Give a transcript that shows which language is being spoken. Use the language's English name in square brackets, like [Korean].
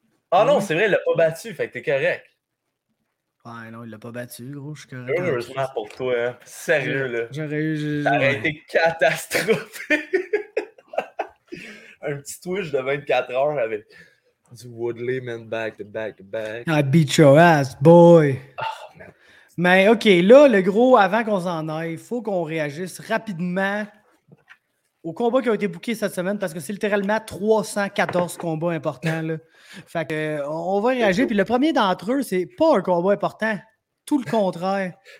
[French] Ah non, c'est vrai, il l'a pas battu, fait que t'es correct. Ouais, non, il l'a pas battu, gros, je suis correct. Heureusement pour toi, hein. Sérieux, là. J'aurais été catastrophé. Un petit twitch de 24 heures avec du Woodley, man, [English] back to back to back. I beat your ass, boy. Oh, man. [French] Mais OK, là, le gros, avant qu'on s'en aille, il faut qu'on réagisse rapidement au combat qui a été booké cette semaine, parce que c'est littéralement 314 combats importants. Là. Fait que, on va réagir. Puis le premier d'entre eux, c'est pas un combat important. Tout le contraire.